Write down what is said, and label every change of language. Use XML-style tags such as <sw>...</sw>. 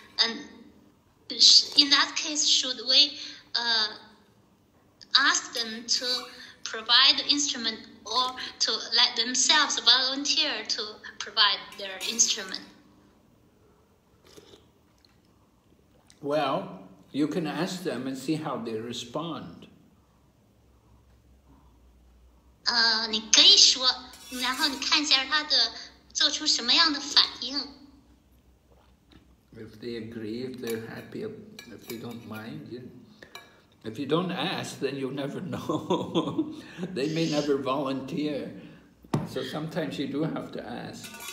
<en>And in that case, should we ask them to provide the instrument or to let themselves volunteer to provide their instrument? Well, you can ask them and see how they respond.</en> <zh>你可以说，然后你看一下他的做出什么样的反应。</zh> <en>If they agree, if they're happy, if they don't mind, you. If you don't ask, then you'll never know. They may never volunteer. So sometimes you do have to ask.</en>